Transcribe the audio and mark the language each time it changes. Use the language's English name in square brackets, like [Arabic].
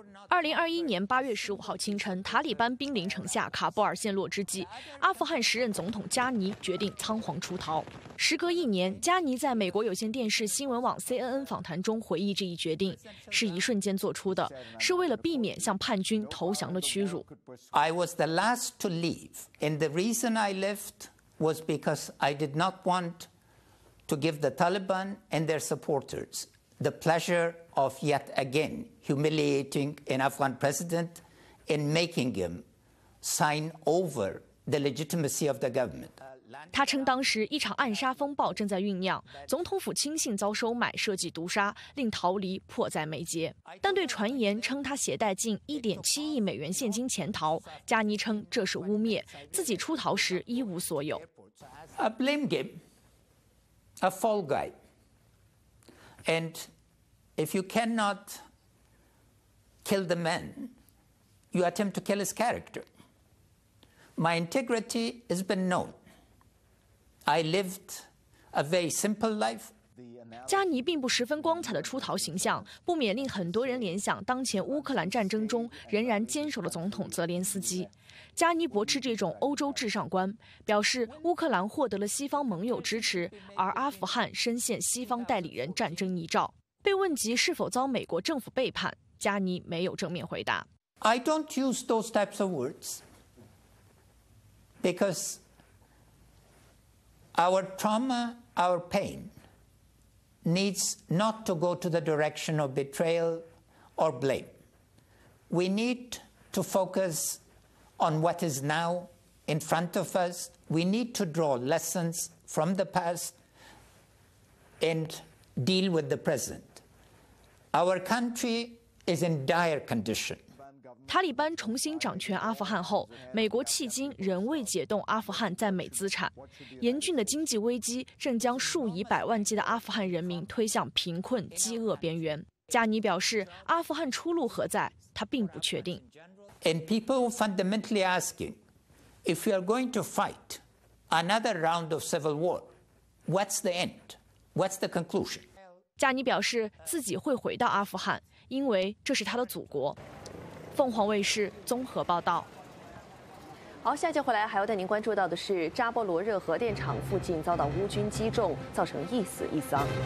[Chinese] 2021年8月15号清晨，塔利班兵临城下卡布尔陷落之际，阿富汗时任总统加尼决定仓皇出逃。时隔一年，加尼在美国有线电视新闻网 CNN 访谈中回忆，这一决定是一瞬间做出的，是为了避免向叛军投降的屈辱。 [English] I was the last to leave, and the reason I left was because I did not want to give the Taliban and their supporters the pleasure of yet again humiliating an Afghan president and making him sign over the legitimacy of the government. [Chinese] 他称当时一场暗杀风暴正在酝酿，总统府亲信遭收买，设计毒杀，令逃离迫在眉睫。但对传言称他携带近1.7亿美元现金潜逃，加尼称这是污蔑，自己出逃时一无所有。 [English] A blame game, a fall guy. And if you cannot kill the man, you attempt to kill his character. My integrity has been known. I lived a very simple life. [Chinese] 加尼并不十分光彩的出逃形象，不免令很多人联想当前乌克兰战争中仍然坚守的总统泽连斯基。加尼驳斥这种欧洲至上观，表示乌克兰获得了西方盟友支持，而阿富汗深陷西方代理人战争泥沼。被问及是否遭美国政府背叛，加尼没有正面回答。 [English] I don't use those types of words because our trauma, our pain needs not to go to the direction of betrayal or blame. We need to focusOn what is now in front of us, we need to draw lessons from the past and deal with the present. Our country is in dire condition. [Chinese] 塔利班重新掌权阿富汗后，美国迄今仍未解冻阿富汗在美资产。严峻的经济危机正将数以百万计的阿富汗人民推向贫困、饥饿边缘。加尼表示，阿富汗出路何在，他并不确定。 [English] And people are fundamentally asking, if we are going to fight another round of civil war, what's the end? What's the conclusion? [Chinese] 加尼表示自己会回到阿富汗，因为这是他的祖国。凤凰卫视综合报道。好，下节回来还要带您关注到的是扎波罗热核电厂附近遭到乌军击中，造成一死一伤。